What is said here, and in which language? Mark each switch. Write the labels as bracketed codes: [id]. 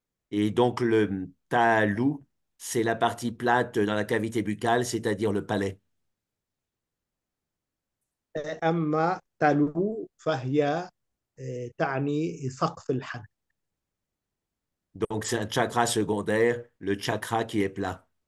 [fr] Et donc le talus, c'est la partie plate dans la cavité buccale, c'est-à-dire le palais. [ar] أما تلو فهي تعني سقف الحنك. [fr] Donc c'est un chakra secondaire, le chakra qui est plat.